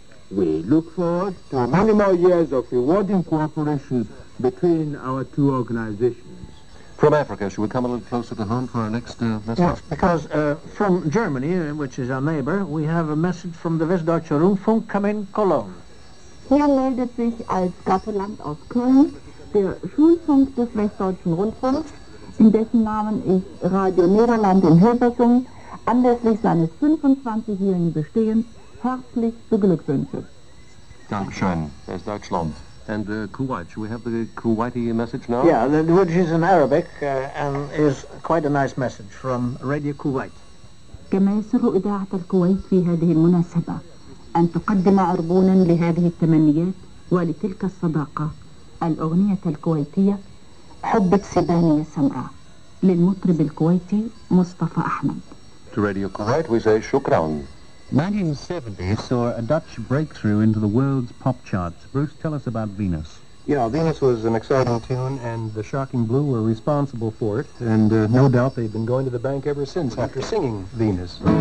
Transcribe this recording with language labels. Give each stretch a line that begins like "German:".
English: We look forward to many more years of rewarding cooperation between our two organizations. From Africa. Should we come a little closer to home for our next message? Yes, because from Germany, which is our neighbor, we have a message from the Westdeutsche Rundfunk coming in Cologne.
German: Hier meldet sich als Gatteland aus Köln der Schulfunk des Westdeutschen Rundfunks, in dessen Namen ich Radio Niederland in Hilversum anlässlich seines 25-jährigen Bestehens herzlich beglückwünsche. Dankeschön, Westdeutschland.
English: And Kuwait, should we have the Kuwaiti message now? Yeah, which is in Arabic and is quite a nice message from Radio Kuwait.
Arabic: كما يسر إذاعة الكويت في هذه المناسبة أن تقدم عربونا لهذه التمنيات ولتلك الصداقة الأغنية الكويتية حب سبانية سمراء للمطرب الكويتي مصطفى أحمد.
English: To Radio Kuwait we say
Arabic: شكراً.
English: 1970 saw a Dutch breakthrough into the world's pop charts. Bruce, tell us about Venus. Yeah, Venus was an exciting tune, and the Shocking Blue were responsible for it, and no doubt they've been going to the bank ever since after singing Venus.